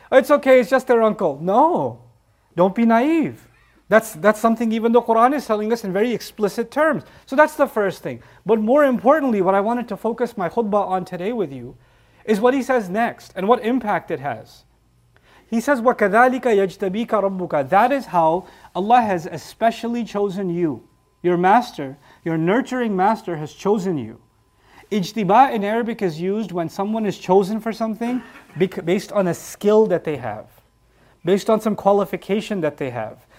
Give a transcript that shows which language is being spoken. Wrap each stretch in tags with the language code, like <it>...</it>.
<en>It's okay, it's just their uncle. No, don't be naive. That's something even the Quran is telling us in very explicit terms. So that's the first thing. But more importantly, what I wanted to focus my khutbah on today with you is what he says next and what impact it has. He says,</en> <ar>وَكَذَلِكَ يَجْتَبِيكَ رَبُّكَ.</ar> <en>That is how Allah has especially chosen you, your master. Your nurturing master has chosen you. Ijtiba in Arabic is used when someone is chosen for something based on a skill that they have, based on some qualification that they have.</en>